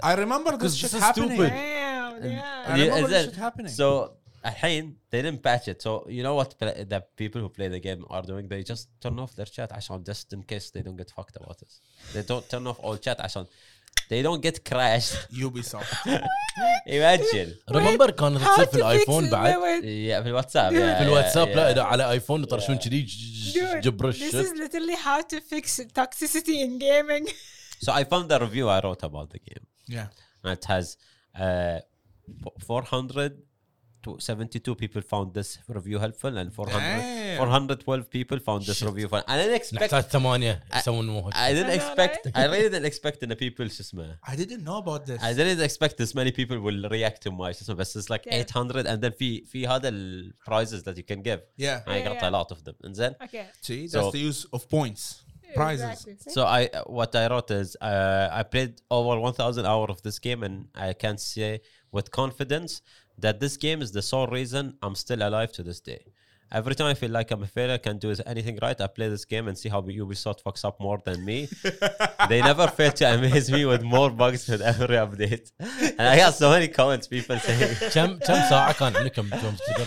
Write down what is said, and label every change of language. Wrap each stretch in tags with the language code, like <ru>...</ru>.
<en>I remember this shit happening. So, الحين they didn't patch it. So you know what the people who play the game are doing? They just turn off their chat عشان just in case they don't get fucked about this. They don't turn off all chat عشان they don't get crashed. Ubisoft. Imagine.</en> <ar>Remember كان في الآيفون بعد؟</ar> <en>Yeah, في الواتساب. Yeah.</en> <ar>في الواتساب على آيفون يطرشون كذي جبرش.</ar> <en>This is literally how to fix toxicity in gaming. So I found the review I wrote about the game. Yeah. It has 472 people found this review helpful, and 412 people found this review fun. I didn't expect I didn't expect this many people will react to my system. This is like 800, and then fee had the prizes that you can give. Yeah, I got a lot of them. And then, okay, see, that's the use of points. Prizes. Exactly. So what I wrote is I played over 1,000 hours of this game, and I can say with confidence that this game is the sole reason I'm still alive to this day. Every time I feel like I'm a failure, can't do anything right, I play this game and see how Ubisoft fucks up more than me. They never fail to amaze me with more bugs with every update. And I got so many comments, people saying...</en> <ar>كم ساعة كان عندكم بجوم تقدر</ar>